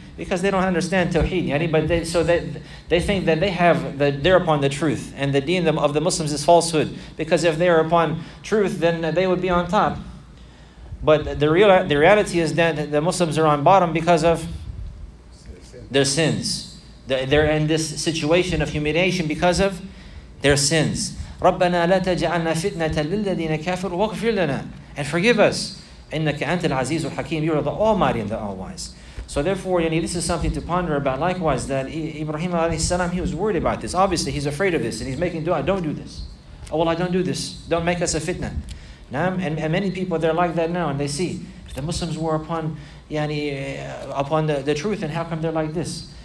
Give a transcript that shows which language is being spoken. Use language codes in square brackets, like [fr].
[en] Because they don't understand Tawheed, yani, but they think that they have they're upon the truth, and the deen of the Muslims is falsehood. Because if they are upon truth, then they would be on top. But the reality is that the Muslims are on bottom because of their sins. They're in this situation of humiliation because of their sins. [ar] رَبَّنَا لَا تَجْعَلْنَا فِتْنَةً لِلَّذِينَ كَافِرُوا وَغْفِرْ لَنَا [en] and forgive us. [ar] إِنَّكَ أَنْتَ الْعَزِيزُ الْحَكِيمُ [en] You are the Almighty and the All-Wise. So therefore, yani, this is something to ponder about. Likewise, that Ibrahim alayhi salam, he was worried about this. Obviously, he's afraid of this, and he's making dua. Don't do this. Oh, Allah, don't do this. Don't make us a fitna. And many people, they're like that now, and they see, if the Muslims were upon upon the truth, and how come they're like this?